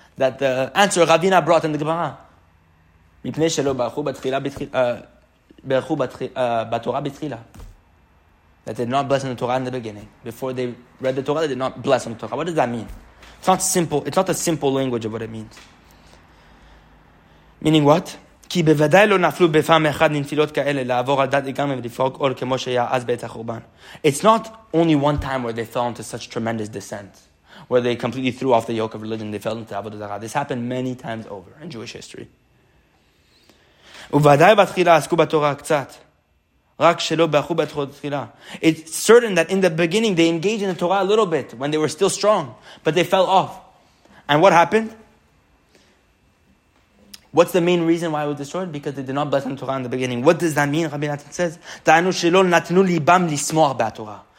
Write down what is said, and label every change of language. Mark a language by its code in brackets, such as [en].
[en] That the answer Ravina brought in the Gemara. That they did not bless on the Torah in the beginning. Before they read the Torah, they did not bless on the Torah. What does that mean? It's not simple. It's not a simple language of what it means. Meaning what? [he] כי בוודאי לא נפלו בפעם אחד נפילות כאלה לעבור על דת לגמרי ולפרוק עול כמו שהיה אז בעת החורבן. [en] It's not only one time where they fell into such tremendous descent, where they completely threw off the yoke of religion, they fell into עבודת זרה. This happened many times over in Jewish history. [he] ובוודאי בתחילה עסקו בתורה קצת, רק שלא ברחו בתחילה. [en] It's certain that in the beginning they engaged in the Torah a little bit when they were still strong, but they fell off. And what happened? What's the main reason why it was destroyed? Because they did not bless the Torah in the beginning. What does that mean? Rabbi Natan says, [he] "Ta'anu shelo natnu libam lismor ba'Torah."